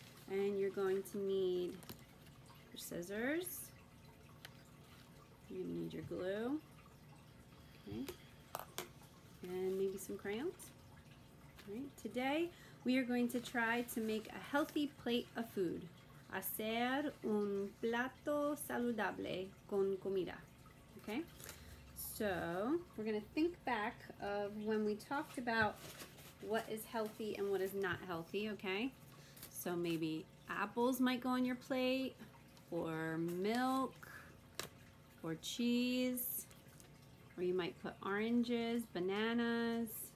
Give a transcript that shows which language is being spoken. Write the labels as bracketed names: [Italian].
[English] And you're going to need your scissors. You're going to need your glue. Okay. And maybe some crayons. Right. Today, we are going to try to make a healthy plate of food. [Spanish] Hacer un plato saludable con comida. [English] Okay? So, we're going to think back of when we talked about what is healthy and what is not healthy, okay? So, maybe apples might go on your plate, or milk, or cheese, or you might put oranges, bananas.